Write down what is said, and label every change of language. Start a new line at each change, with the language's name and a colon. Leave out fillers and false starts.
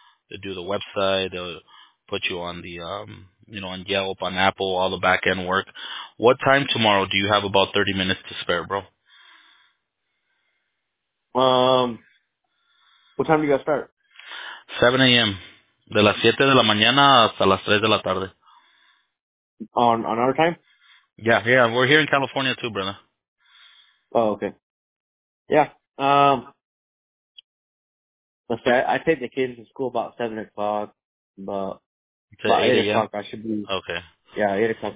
English: They do the website. They'll put you on the... on Yelp, on Apple, all the back end work. What time tomorrow do you have about 30 minutes to spare, bro? What time do you guys start? 7 a.m.
Spanish: De las 7 de la mañana hasta las 3 de la tarde.
English: On our time? Yeah, we're here in California too, brother. Oh, okay. Yeah. I take the kids to school about 7 o'clock, but. To 8 o'clock, I should be. Okay. Yeah, 8 o'clock,